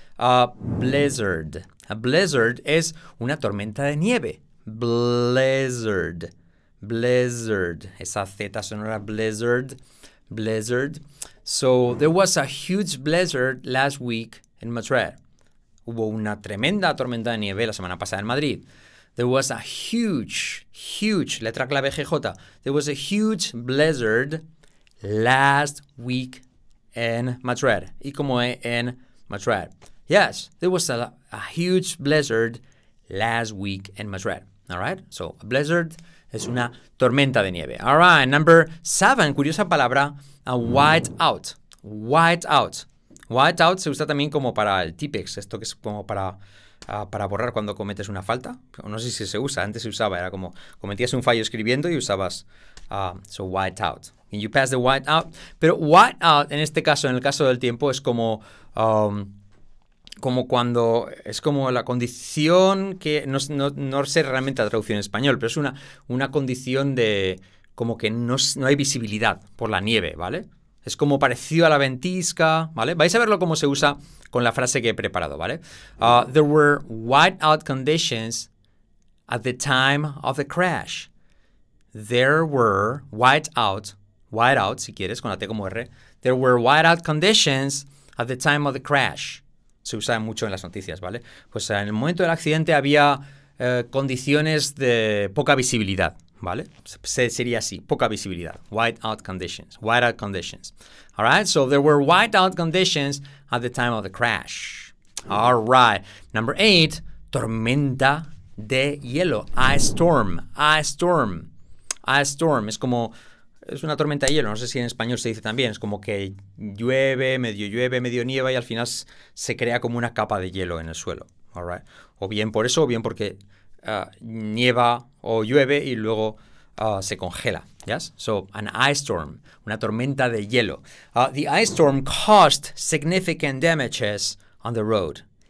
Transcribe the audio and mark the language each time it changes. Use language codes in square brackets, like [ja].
[en] A blizzard. [es] A blizzard es una tormenta de nieve. [en] Blizzard. Blizzard. [es] Esa Z sonora, blizzard. Blizzard. [en] So, there was a huge blizzard last week in Madrid. [es] Hubo una tremenda tormenta de nieve la semana pasada en Madrid. [en] There was a huge, huge, [es] letra clave [en] GJ. There was a huge blizzard last week in Madrid. [es] Y como es en Madrid. [en] Yes, there was a huge blizzard last week in Madrid. All right? So, a blizzard [es] es una tormenta de nieve. [en] All right, number seven, [es] curiosa palabra, [en] a white out. White out. [es] White out se usa también como para el típex, esto que es como para borrar cuando cometes una falta. No sé si se usa, antes se usaba, era como cometías un fallo escribiendo y usabas so white out. [en] Can you pass the white out? [es] Pero white out en este caso, en el caso del tiempo, es como como cuando es como la condición que no sé realmente la traducción en español, pero es una condición de como que no hay visibilidad por la nieve, ¿vale? Es como parecido a la ventisca, ¿vale? Vais a verlo cómo se usa con la frase que he preparado, ¿vale? [en] There were whiteout conditions at the time of the crash. There were whiteout, whiteout, [es] si quieres, con la T como R. [en] There were whiteout conditions at the time of the crash. [es] Se usa mucho en las noticias, ¿vale? Pues en el momento del accidente había condiciones de poca visibilidad. ¿Vale? Sería así, poca visibilidad. [en] Whiteout conditions. Whiteout conditions. All right? So there were whiteout conditions at the time of the crash. All right. Number eight, [es] tormenta de hielo. [en] Ice storm. Ice storm. Ice storm. [es] Es como, es una tormenta de hielo. No sé si en español se dice también. Es como que llueve, medio nieva y al final se crea como una capa de hielo en el suelo. [en] All right? [es] O bien por eso, o bien porque nieva o llueve y luego se congela. [en] Yes? So, an ice storm, [es] una tormenta de hielo. [en] The ice storm caused significant damages on the road.